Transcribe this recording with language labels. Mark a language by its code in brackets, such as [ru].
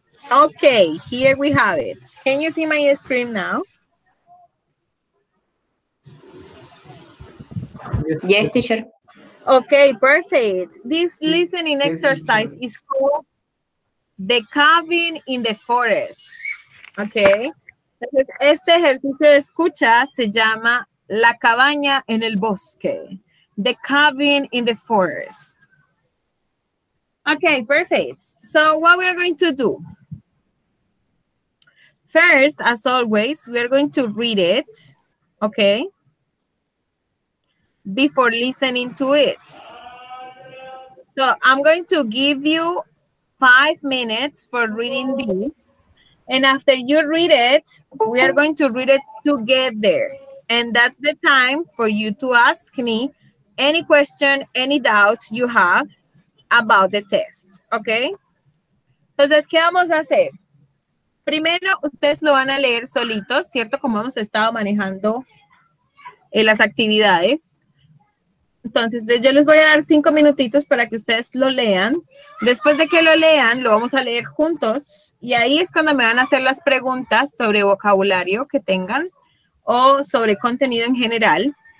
[en] Okay, here we have it. Can you see my screen now? Yes, teacher. Okay, perfect. This listening exercise is called The Cabin in the Forest. Okay. [es] Este ejercicio de escucha se llama La Cabaña en el Bosque. [en] The Cabin in the Forest. Okay, perfect. So what we are going to do? First, as always, we are going to read it, okay, before listening to it. So I'm going to give you 5 minutes for reading this. And after you read it, we are going to read it together. And that's the time for you to ask me any question, any doubt you have about the test, okay? [es] Entonces, ¿qué vamos a hacer? Primero, ustedes lo van a leer solitos, ¿cierto? Como hemos estado manejando las actividades. Entonces, yo les voy a dar 5 minutitos para que ustedes lo lean. Después de que lo lean, lo vamos a leer juntos. Y ahí es cuando me van a hacer las preguntas sobre vocabulario que tengan o sobre contenido en general.